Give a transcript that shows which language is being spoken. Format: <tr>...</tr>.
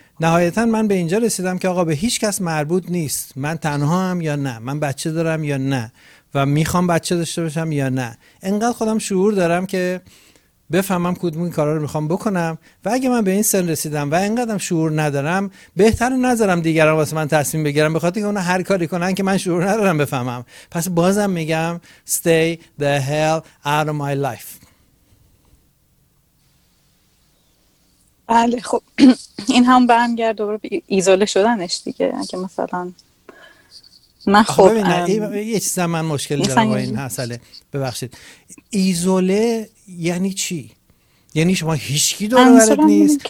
<fa>نهایتا من به اینجا رسیدم که آقا به هیچ کس مربوط نیست من تنها هم یا نه، من بچه دارم یا نه و میخوام بچه داشته باشم یا نه. انقدر خودم شعور دارم که بفهمم کدوم این کارا رو میخوام بکنم و اگه من به این سن رسیدم و انقدرم شعور ندارم بهتر نذارم دیگران واسه من تصمیم بگیرم، به خاطر اینکه اونا هر کاری کنن که من شعور ندارم بفهمم. پس بازم میگم</fa> <en>stay the hell out of my life.</en> <fa>بله خب این هم برمیگرد دوباره به ایزوله شدنش دیگه. اگه مثلا من خب یه چیز من مشکل دارم با این مسئله، ببخشید ایزوله یعنی چی؟ یعنی شما هیچکی دور و برت نیست؟</fa>